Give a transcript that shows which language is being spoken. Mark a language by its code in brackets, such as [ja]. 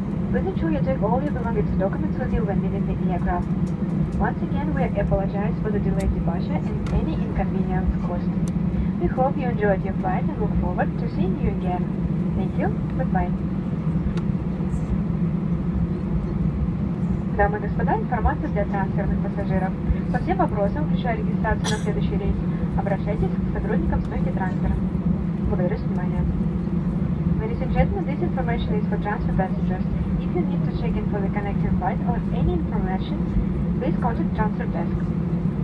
[en] Please ensure you take all your belongings and documents with you when leaving the aircraft. Once again, we apologize for the delayed departure and any inconvenience caused. We hope you enjoyed your flight and look forward to seeing you again. Thank you. Goodbye. [ru] Дамы и господа, информация для трансферных пассажиров. По всем вопросам, включая регистрацию на следующий рейс, обращайтесь к сотрудникам стойки трансфера. Благодарю за внимание. [en] Ladies and gentlemen, this information is for transfer passengers. If you need to check in for the connecting flight or any information, please contact transfer desk.